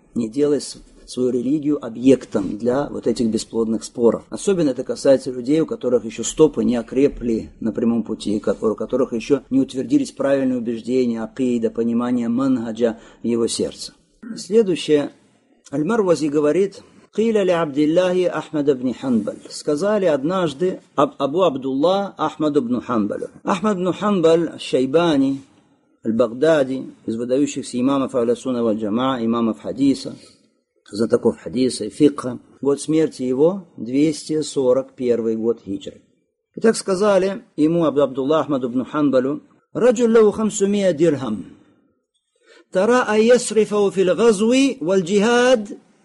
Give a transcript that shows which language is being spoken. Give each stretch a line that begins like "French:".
Russian: Не делай свою религию объектом для вот этих бесплодных споров. Особенно это касается людей, у которых еще стопы не окрепли на прямом пути, у которых еще не утвердились правильные убеждения, акида, понимание манхаджа в его сердце. Следующее. Аль-Марвази говорит...
Arabic: قيل لعبدالله أحمد بن حنبل.
Russian: Сказали однажды Абу Абдулла Ахмаду бну Ханбалю. Ахмад бну Ханбаль Шайбани, Аль-Багдади, из выдающихся имамов Аль-Сунна валь-Джамаа, имамов хадиса, знатоков хадиса и фикха. Год смерти его 241 год хиджры. Итак, сказали ему Абу Абдулла Ахмаду бну Ханбалю:
Arabic: رجل له 500 درهم ترى أن يصرفه في الغزو والجهاد.